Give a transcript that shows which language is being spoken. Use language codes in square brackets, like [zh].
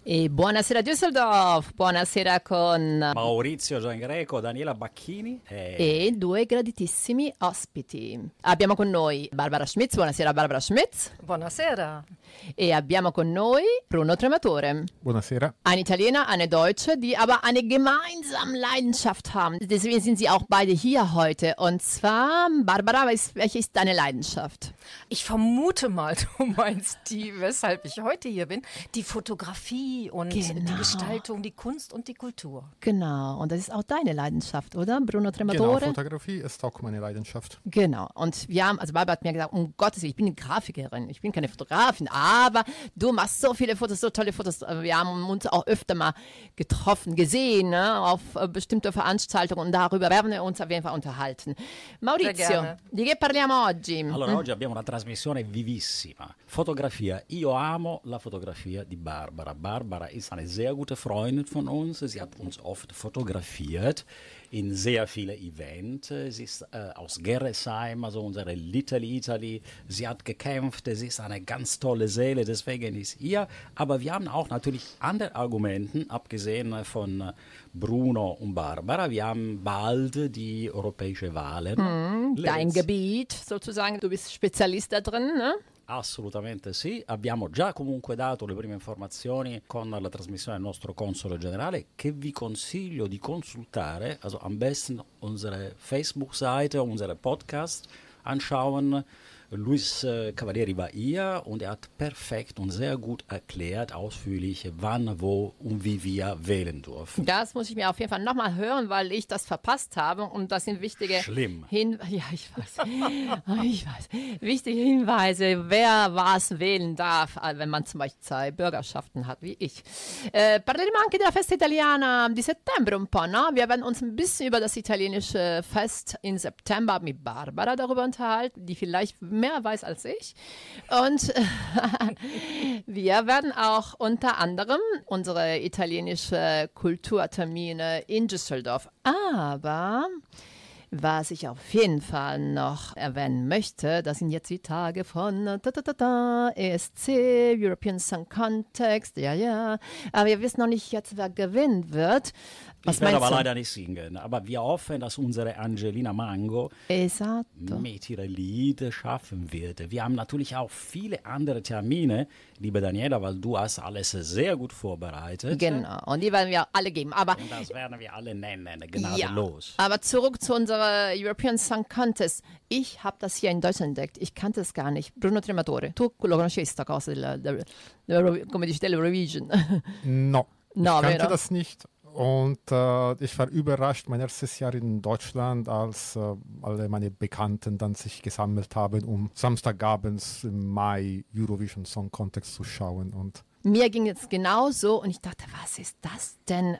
[it] E buonasera Düsseldorf, buonasera con Maurizio Giangreco, Daniela Bacchini e due graditissimi ospiti. Abbiamo con noi Barbara Schmitz, buonasera Barbara Schmitz. Buonasera. E abbiamo con noi Bruno Trematore. Buonasera. [de] Eine Italiener, eine Deutsche, die aber eine gemeinsame Leidenschaft haben. Deswegen sind sie auch beide hier heute. Und zwar, Barbara, welche ist deine Leidenschaft? Ich vermute mal, du meinst die, weshalb ich heute hier bin, die Fotografie. Und genau. Die Gestaltung, die Kunst und die Kultur. Genau, und das ist auch deine Leidenschaft, oder, Bruno Trematore? Genau, Fotografie ist auch meine Leidenschaft. Genau, und wir haben, also Barbara hat mir gesagt, um Gottes Willen, ich bin eine Grafikerin, ich bin keine Fotografin, aber du machst so viele Fotos, so tolle Fotos. Wir haben uns auch öfter mal getroffen, gesehen, ne, auf bestimmte Veranstaltungen und darüber werden wir uns auf jeden Fall unterhalten. [it] Maurizio, di che parliamo oggi? Allora, oggi abbiamo una trasmissione vivissima. Fotografia, io amo la fotografia di Barbara. [de] Barbara ist eine sehr gute Freundin von uns. Sie hat uns oft fotografiert in sehr vielen Events. Sie ist aus Gerresheim, also unsere Little Italy. Sie hat gekämpft, sie ist eine ganz tolle Seele, deswegen ist sie hier. Aber wir haben auch natürlich andere Argumente, abgesehen von Bruno und Barbara. Wir haben bald die europäische Wahlen. Dein Gebiet sozusagen, du bist Spezialist da drin, ne? [it] Assolutamente sì, abbiamo già comunque dato le prime informazioni con la trasmissione del nostro console generale che vi consiglio di consultare, [de] also am besten unsere Facebook-Seite, unsere Podcast anschauen. Luis Cavalieri war hier und hat perfekt und sehr gut erklärt, ausführlich, wann, wo und wie wir wählen dürfen. Das muss ich mir auf jeden Fall nochmal hören, weil ich das verpasst habe und das sind wichtige wichtige Hinweise, wer was wählen darf, wenn man zum Beispiel zwei Bürgerschaften hat, wie ich. [it] Parleremo anche della Festa Italiana di settembre un po', no? [de] Wir werden uns ein bisschen über das italienische Fest in September mit Barbara darüber unterhalten, die vielleicht mehr weiß als ich. Und wir werden auch unter anderem unsere italienische Kulturtermine in Düsseldorf. Aber was ich auf jeden Fall noch erwähnen möchte, das sind jetzt die Tage von ESC, European Song Contest, ja, ja. Aber wir wissen noch nicht jetzt, wer gewinnen wird. Ich werde aber leider nicht singen, aber wir hoffen, dass unsere Angelina Mango mit ihrer Lied schaffen wird. Wir haben natürlich auch viele andere Termine, liebe Daniela, weil du hast alles sehr gut vorbereitet. Genau, und die werden wir alle geben. Aber und das werden wir alle nennen, gnadenlos. Ja, aber zurück zu unserer European Song Contest. Ich habe das hier in Deutschland entdeckt, ich kannte es gar nicht. [it] Bruno Trematore, tu lo conoscesti cosa come dice l'Eurovision? [de] No, ich kannte das nicht. Und ich war überrascht, mein erstes Jahr in Deutschland, als alle meine Bekannten dann sich gesammelt haben, um samstagabends im Mai Eurovision Song Contest zu schauen. Und mir ging es genauso und ich dachte, was ist das denn?